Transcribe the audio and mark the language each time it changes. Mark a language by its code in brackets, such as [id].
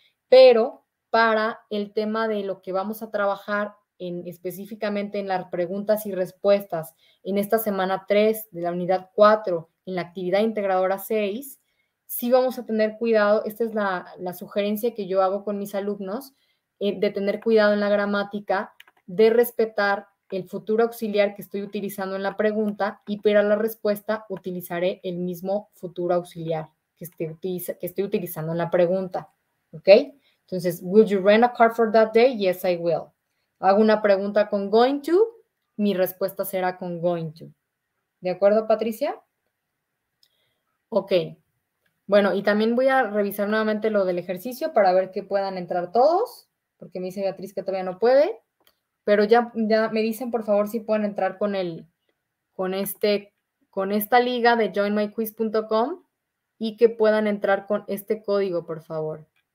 [es] Pero para el tema de lo que vamos a trabajar específicamente en las preguntas y respuestas en esta semana 3 de la unidad 4, en la actividad integradora 6, sí vamos a tener cuidado, esta es la sugerencia que yo hago con mis alumnos, de tener cuidado en la gramática, de respetar el futuro auxiliar que estoy utilizando en la pregunta y para la respuesta utilizaré el mismo futuro auxiliar que estoy utilizando en la pregunta. ¿Ok? Entonces, [en] will you rent a car for that day? Yes, I will. [es] Hago una pregunta con going to, mi respuesta será con going to. ¿De acuerdo, Patricia? Ok. Bueno, y también voy a revisar nuevamente lo del ejercicio para ver que puedan entrar todos, porque me dice Beatriz que todavía no puede, pero ya me dicen, por favor, si pueden entrar con esta liga de joinmyquiz.com y que puedan entrar con este código, por favor.